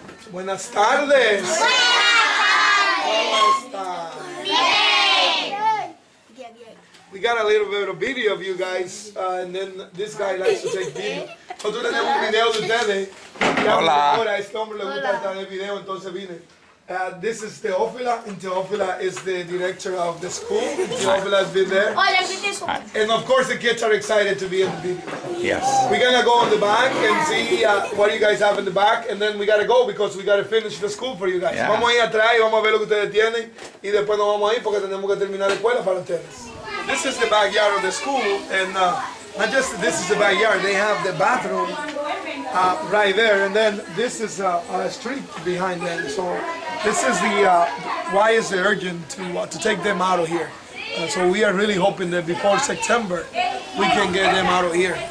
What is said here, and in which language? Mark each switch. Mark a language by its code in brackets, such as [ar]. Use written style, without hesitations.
[es] Buenas tardes. Buenas tardes. [en] We got a little bit of video of you guys, and then this guy likes to take video. [es] Nosotros tenemos video de ustedes. Hola. Este hombre le gusta estar en video, entonces vine. [en] This is Teófila, and Teófila is the director of the school. Teófila has been there. And of course, the kids are excited to be in the video. Yes. We're going to go in the back and see what you guys have in the back, and then we got to go because we got to finish the school for you guys. Yeah. [es] Vamos a ir atrás y vamos a ver lo que ustedes tienen, y después nos vamos a ir porque tenemos que terminar la escuela para ustedes. [en] This is the backyard of the school, and not just this is the backyard, they have the bathroom right there, and then this is a street behind them. So this is the why is it urgent to take them out of here? So we are really hoping that before September we can get them out of here.